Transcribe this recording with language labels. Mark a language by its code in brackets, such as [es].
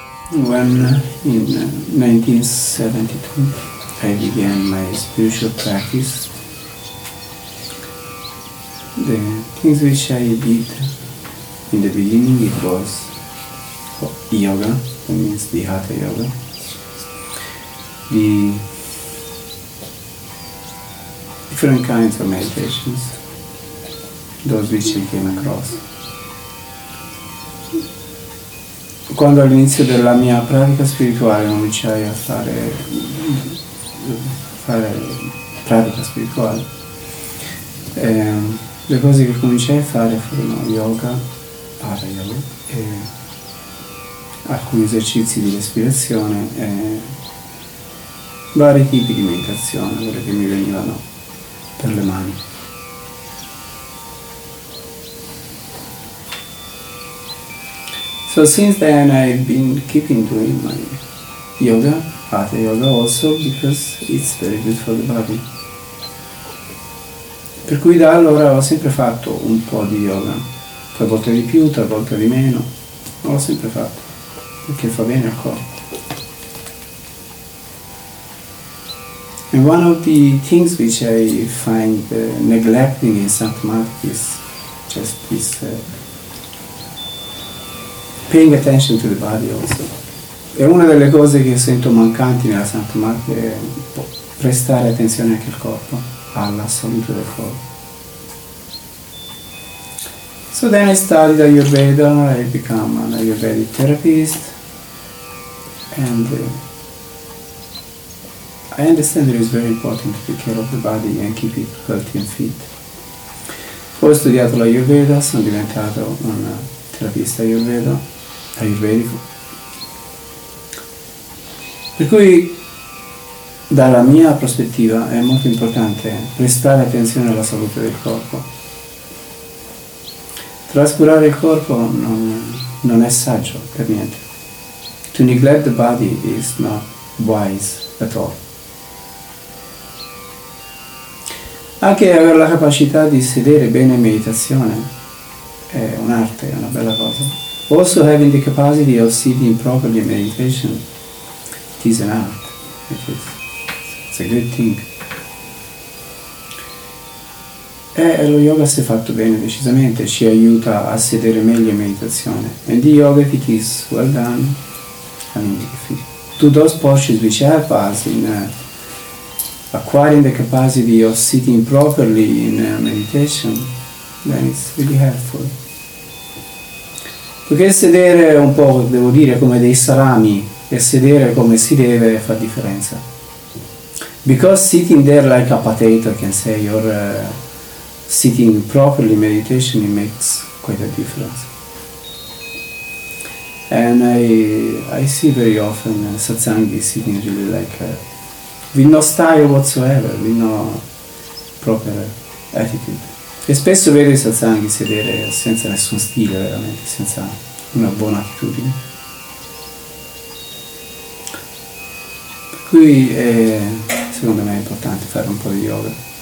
[en] When in 1972 I began my spiritual practice, the things which I did in the beginning, it was yoga, that means the Hatha yoga, the different kinds of meditations, those which he came across. [it] Quando all'inizio della mia pratica spirituale cominciai a fare pratica spirituale, le cose che cominciai a fare furono yoga, para yoga, e alcuni esercizi di respirazione, vari tipi di meditazione, quelle che mi venivano per le mani. [en] So since then I've been keeping doing my yoga, Hatha yoga also, because it's very good for the body. [it] Per cui da allora ho sempre fatto un po' di yoga, talvolta di più, talvolta di meno, ma l'ho sempre fatto, perché fa bene al corpo. [en] And one of the things which I find neglecting in Sant'Marco is just this paying attention to the body also. [it] E una delle cose che sento mancanti nella Sant'Marco è prestare attenzione anche al corpo, alla salute del corpo. [en] So then I studied Ayurveda, I became an Ayurvedic therapist, and I understand that it is very important to take care of the body and keep it healthy and fit. [it] Ho studiato l'Ayurveda, sono diventato un terapista ayurvedico. Per cui, dalla mia prospettiva, è molto importante prestare attenzione alla salute del corpo. Trascurare il corpo non è saggio per niente. [en] To neglect the body is not wise at all. [it] Anche avere la capacità di sedere bene in meditazione è un'arte, è una bella cosa. [en] Also having the capacity of sitting properly in meditation is an art. It's a good thing. [it] E lo yoga, se fatto bene, decisamente ci aiuta a sedere meglio in meditazione. [en] And the yoga, if it is well done, I mean, if it, to those postures which help us in acquiring the capacity of sitting properly in meditation, then it's really helpful. [it] Perché sedere un po', devo dire, come dei salami, e sedere come si deve fa differenza. [en] Because sitting there like a potato, I can say, or sitting properly in meditation, it makes quite a difference. And I see very often satsangi sitting really like a with no style whatsoever, with no proper attitude. [it] E spesso vedo i satsanghi sedere senza nessun stile, veramente, senza una buona attitudine. Qui è, secondo me, è importante fare un po' di yoga.